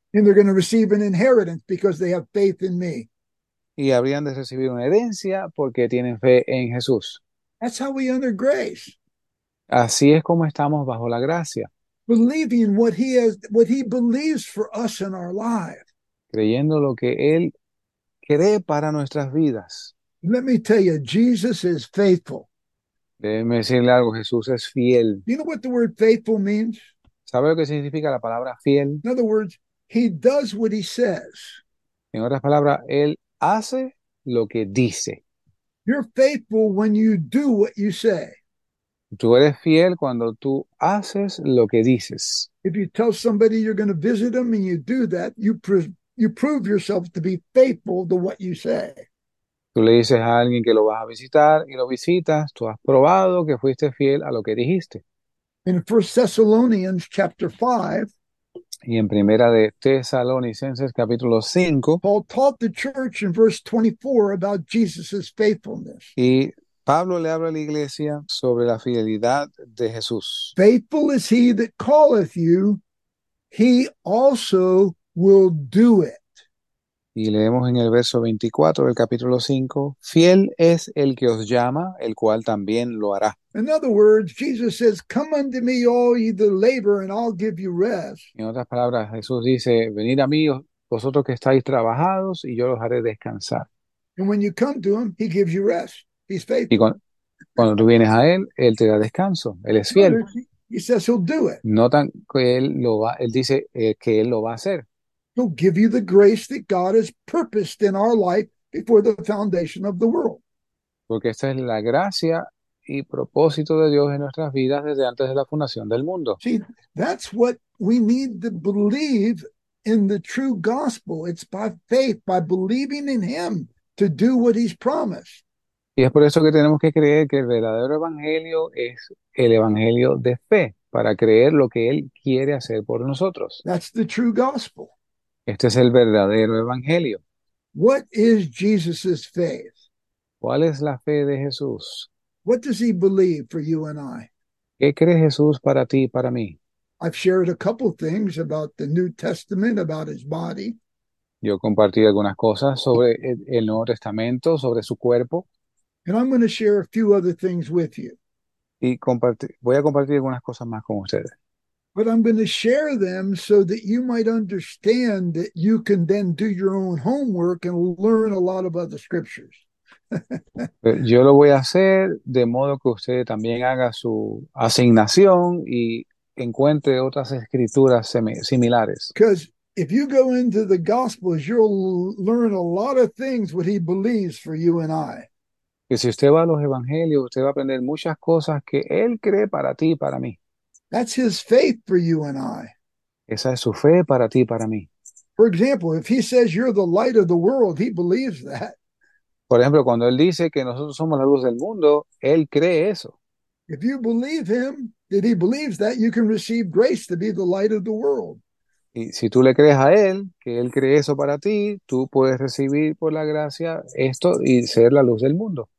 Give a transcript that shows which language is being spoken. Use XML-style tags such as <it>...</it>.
<en>And they're going to receive an inheritance because they have faith in me.</en> <es>Y habrían de recibir una herencia porque tienen fe en Jesús.</es> <en>That's how we under grace.</en> <es>Así es como estamos bajo la gracia.</es> <en>Believing what he has, what he believes for us in our lives.</en> <es>Creyendo lo que él cree para nuestras vidas.</es> <en>Let me tell you, Jesus is faithful.</en> <es>Déjeme decirle algo, Jesús es fiel.</es> <en>You know what the word faithful means?</en> <es>¿Sabe lo que significa la palabra fiel?</es> <en>In other words, he does what he says.</en> <es>En otras palabras, él hace lo que dice.</es> <en>You're faithful when you do what you say.</en> <es>Tú eres fiel cuando tú haces lo que dices.</es> <en>If you tell somebody you're going to visit them and you do that, you prove yourself to be faithful to what you say.</en> <es>Tú le dices a alguien que lo vas a visitar y lo visitas, tú has probado que fuiste fiel a lo que dijiste.</es> <en>In 1 Thessalonians chapter 5,</en> <es>Y en primera de Tesalonicenses capítulo 5,</es> <en>Paul taught the church in verse 24 about Jesus' faithfulness.</en> <es>y Pablo le habla a la iglesia sobre la fidelidad de Jesús.</es> <en>Faithful is he that calleth you, he also will do it.</en> <es>Y leemos en el verso 24 del capítulo 5, fiel es el que os llama, el cual también lo hará.</es> <en>In other words, Jesus says, come unto me, all ye that labor, and I'll give you rest.</en> <es>En otras palabras, Jesús dice, venid a mí vosotros que estáis trabajados y yo los haré descansar.</es> <en>And when you come to him, he gives you rest. He's</en> <es>Y</es> <en>faithful.</en> <es>cuando tú vienes a él te da descanso, él es fiel.</es> <en>Notice, he says he'll do it.</en> <es>Notan que él dice que él lo va a hacer.</es> <en>He'll give you the grace that God has purposed in our life before the foundation of the world.</en> <es>Porque esta es la gracia y propósito de Dios en nuestras vidas desde antes de la fundación del mundo.</es> <en>See, that's what we need to believe in the true gospel. It's by faith, by believing in him to do what he's promised.</en> <es>Y es por eso que tenemos que creer que el verdadero evangelio es el evangelio de fe, para creer lo que Él quiere hacer por nosotros.</es> <en>That's the true gospel.</en> <es>Este es el verdadero evangelio.</es> <en>What is Jesus's faith?</en> <es>¿Cuál es la fe de Jesús?</es> <en>What does he believe for you and I?</en> <es>¿Qué cree Jesús para ti y para mí?</es> <en>I've shared a couple things about the New Testament, about his body.</en> <es>Yo compartí algunas cosas sobre el Nuevo Testamento, sobre su cuerpo.</es> <en>And I'm going to share a few other things with you.</en> <es>Y voy a compartir algunas cosas más con ustedes.</es> <en>But I'm going to share them so that you might understand that you can then do your own homework and learn a lot of other scriptures.</en> <es>Yo lo voy a hacer de modo que usted también haga su asignación y encuentre otras escrituras similares.</es> <en>Because if you go into the Gospels, you'll learn a lot of things what he believes for you and I.</en> <es>Que si usted va a los evangelios, usted va a aprender muchas cosas que él cree para ti y para mí.</es> <en>That's his faith for you and I.</en> <es>Esa es su fe para ti y para mí.</es> <en>For example, if he says you're the light of the world, he believes that.</en> <es>Por ejemplo, cuando él dice que nosotros somos la luz del mundo, él cree eso.</es> <en>If you believe him, that he believes that, you can receive grace to be the light of the world.</en> <es>Y si tú le crees a él, que él cree eso para ti, tú puedes recibir por la gracia esto y ser la luz del mundo.</es>